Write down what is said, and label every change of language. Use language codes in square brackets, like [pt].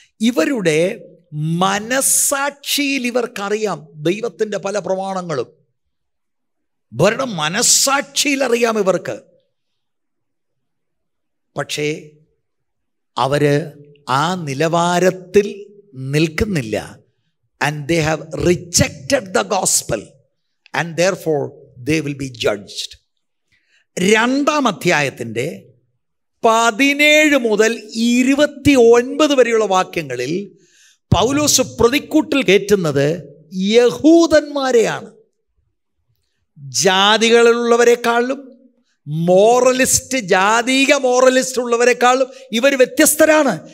[ml] ഇവരുടെ മനസ്സാക്ഷിയിൽ ഇവർക്കറിയാം ദൈവത്തിൻ്റെ പല പ്രമാണങ്ങളും. ഭരണം മനസ്സാക്ഷിയിൽ അറിയാം ഇവർക്ക്. പക്ഷേ അവർ ആ നിലവാരത്തിൽ നിൽക്കുന്നില്ല. [en] And they have rejected the gospel, and therefore they will be judged. [ml] രണ്ടാം അധ്യായത്തിൻ്റെ 17 മുതൽ 29 വരെയുള്ള വാക്യങ്ങളിൽ പൗലോസ് പ്രതിക്കൂട്ടിൽ കയറ്റുന്നത് യഹൂദന്മാരെയാണ്. ജാതികളിലുള്ളവരെക്കാളും മോറലിസ്റ്റ്, ജാതിക മോറലിസ്റ്റ് ഉള്ളവരെക്കാളും ഇവർ വ്യത്യസ്തരാണ്.